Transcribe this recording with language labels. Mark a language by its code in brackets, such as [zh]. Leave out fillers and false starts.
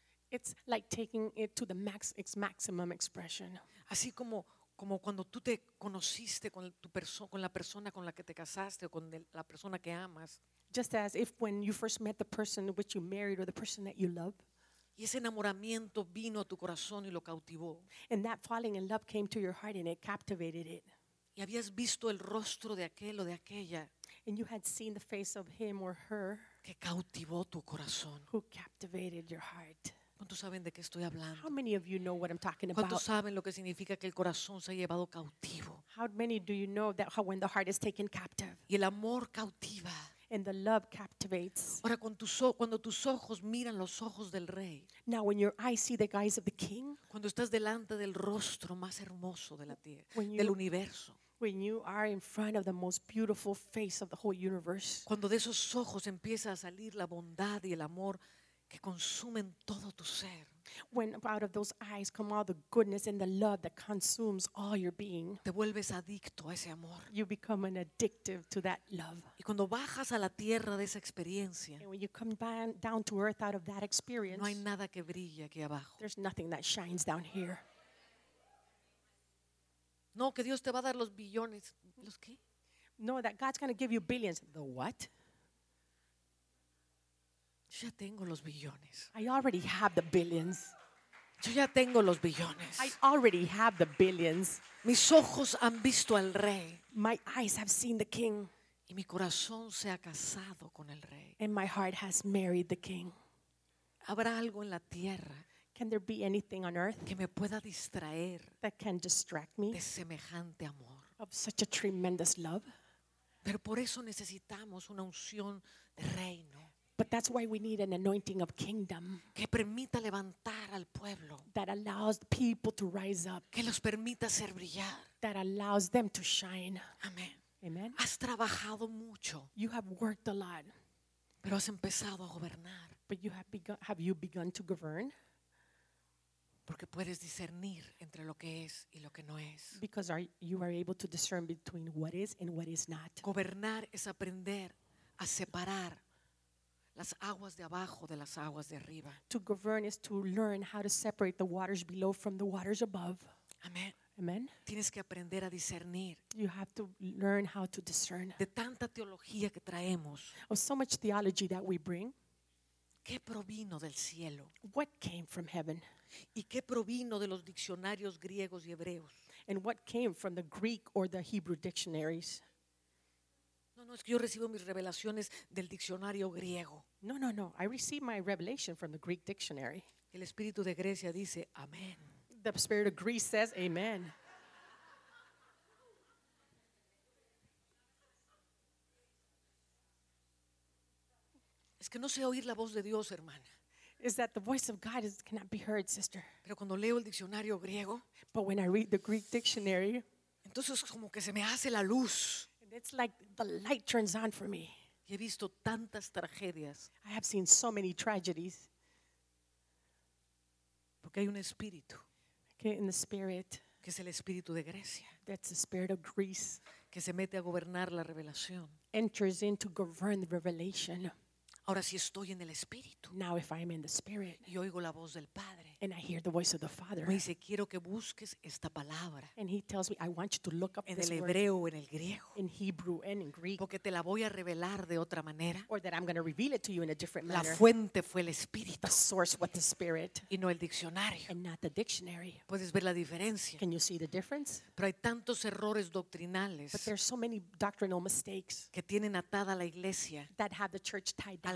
[en] It's like taking it to the max, its maximum expression. [es] Así como cuando tú te conociste con tu con la persona con la que te casaste o con la persona que amas. [en] Just as if when you first met the person which you married or the person that you love. [es] Y ese enamoramiento vino a tu corazón y lo cautivó. [en] And that falling in love came to your heart and it captivated it. [es] Y habías visto el rostro de aquel o de aquella. [en] And you had seen the face of him or her. [es] Que cautivó tu corazón. [en] Who captivated your heart. [es] ¿Cuántos saben de qué estoy hablando? [en] How many of you know what I'm talking about? [es] ¿Cuántos saben lo que significa que el corazón se ha llevado cautivo? [en] How many do you know that when the heart is taken captive? [es] Y el amor cautiva. [en] And the love captivates. [es] Ahora cuando tus ojos miran los ojos del rey. [en] Now when your eyes see the eyes of the king. [es] Cuando estás delante del rostro más hermoso de la tierra, del universo. [en] When you are in front of the most beautiful face of the whole universe. [es] Cuando de esos ojos empieza a salir la bondad y el amor que consumen todo tu ser. [en] When out of those eyes come all the goodness and the love that consumes all your being. [es] Te vuelves adicto a ese amor. [en] You become an addictive to that love. [es] Y cuando bajas a la tierra de esa experiencia. [en] And when you come down to earth out of that experience. [es] No hay nada que brille aquí abajo. [en] There's nothing that shines down here. [es] No, que Dios te va a dar los billones. ¿Los qué? [en] No, that God's going to give you billions. The what? [es] Yo ya tengo los billones. [en] I already have the billions. [es] Yo ya tengo los billones. [en] I already have the billions. [es] Mis ojos han visto al rey. [en] My eyes have seen the king. [es] Y mi corazón se ha casado con el rey. [en] And my heart has married the king. [es] ¿Habrá algo en la tierra? [en] Can there be anything on earth? [es] Que me pueda distraer. [en] That can distract me. [es] De semejante amor. [en] Of such a tremendous love. [es] Pero por eso necesitamos una unción de reino. [en] But that's why we need an anointing of kingdom [es] que permita levantar al pueblo, [en] that allows people to rise up, [es] que los permita hacer brillar, [en] that allows them to shine. [es] Amen. [en] Amen. [es] Has trabajado mucho, [en] you have worked a lot, [es] pero has empezado a gobernar. [en] But you have begun to govern? [es] Porque puedes discernir entre lo que es y lo que no es. [en] Because you are able to discern between what is and what is not. [es] Gobernar es aprender a separar las aguas de abajo de las aguas de arriba. [en] To govern is to learn how to separate the waters below from the waters above. [es] Amén. [en] Amen. [es] Tienes que aprender a discernir. [en] You have to learn how to discern. [es] De tanta teología que traemos. [en] Of so much theology that we bring. [es] ¿Qué provino del cielo? [en] What came from heaven? [es] ¿Y qué provino de los diccionarios griegos y hebreos? [en] And what came from the Greek or the Hebrew dictionaries? [es] No, es que yo recibo mis revelaciones del diccionario griego. [en] No. I receive my revelation from the Greek dictionary. [es] El espíritu de Grecia dice amén. [en] The spirit of Greece says amen. [es] Es que no sé oír la voz de Dios, hermana. [en] Is that the voice of God cannot be heard, sister. [es] Pero cuando leo el diccionario griego, [en] but when I read the Greek dictionary, [es] entonces como que se me hace la luz. [en] It's like the light turns on for me. [es] Y he visto tantas tragedias. [en] I have seen so many tragedies. [es] Porque hay un espíritu. [en] Okay, in the spirit. [es] Que es el espíritu de Grecia. [en] That's the spirit of Greece. [es] Que se mete a gobernar la revelación. [en] Enters in to govern the revelation. [es] Ahora si estoy en el espíritu. [en] Now if I am in the spirit. [es] Y oigo la voz del Padre. [en] And I hear the voice of the Father. [es] Me dice, quiero que busques esta palabra. [en] And he tells me, I want you to look up [es] en [en] this [es] el hebreo [en] word, [es] o en el griego. [en] In Hebrew and in Greek. [es] Porque te la voy a revelar de otra manera. [en] Or that I'm going to reveal it to you in a different manner. [es] La fuente fue el espíritu. [en] The source was the spirit. [es] Y no el diccionario. [en] And not the dictionary. [es] ¿Puedes ver la diferencia? [en] Can you see the difference? [es] Pero hay tantos errores doctrinales. [en] But there are so many doctrinal mistakes. [es] Que tienen atada la iglesia. That have the church tied down.